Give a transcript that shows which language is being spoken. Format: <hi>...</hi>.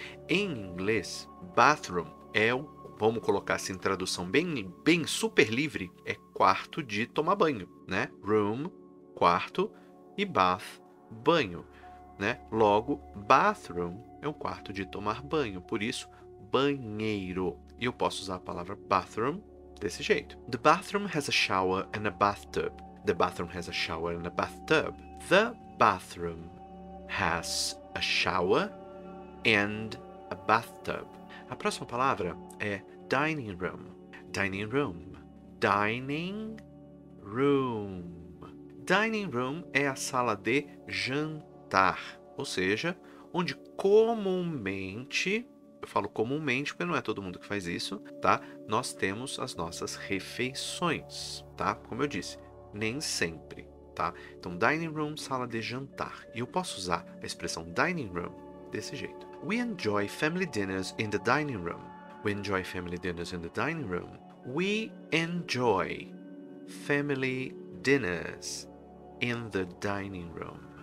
<pt>Em inglês, bathroom é o, vamos colocar assim, tradução bem super livre, é quarto de tomar banho, né? Room, quarto, e bath, banho, né? Logo, bathroom é um quarto de tomar banho, por isso, banheiro. E eu posso usar a palavra bathroom desse jeito.</pt> <en>The bathroom has a shower and a bathtub. The bathroom has a shower and a bathtub. The bathroom has a shower and a bathtub.</en> <pt>A próxima palavra é dining room. Dining room.</pt> <en>Dining room.</en> <pt>Dining room é a sala de jantar, ou seja, onde comumente, eu falo comumente porque não é todo mundo que faz isso, tá? Nós temos as nossas refeições, tá? Como eu disse, nem sempre, tá? Então, dining room, sala de jantar. E eu posso usar a expressão dining room desse jeito.</pt> <en>We enjoy family dinners in the dining room. We enjoy family dinners in the dining room. We enjoy family dinners in the dining room.</en>